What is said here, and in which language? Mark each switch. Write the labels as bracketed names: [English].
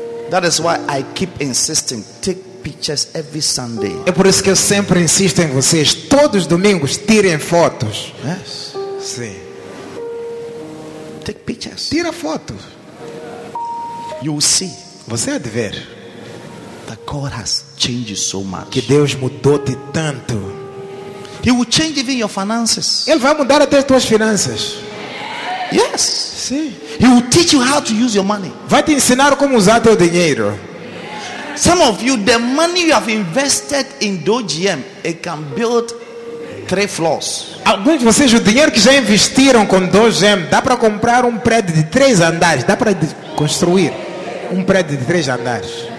[English] That is why I keep insisting, take pictures every Sunday. [Portuguese] É por isso que eu sempre insisto em vocês, todos os domingos tirem fotos. [English] Yes. [Portuguese] Sim. [English] Take pictures. [Portuguese] Tira fotos. [English] You will see. [Portuguese] Você há de ver. [English] That God has changed so much. [Portuguese] Que Deus mudou-te tanto. [English] He will change even your finances. [Portuguese] Ele vai mudar até as tuas finanças. [English] Yes. [Portuguese] Sim. [English] He will teach you how to use your money. [Portuguese] Vai te ensinar como usar teu dinheiro. [English] Some of you, the money you have invested in DoGM, it can build 3 floors. [Portuguese] Alguns de vocês, o dinheiro que já investiram com DoGM, dá para comprar um prédio de 3 andares. Dá para construir um prédio de 3 andares.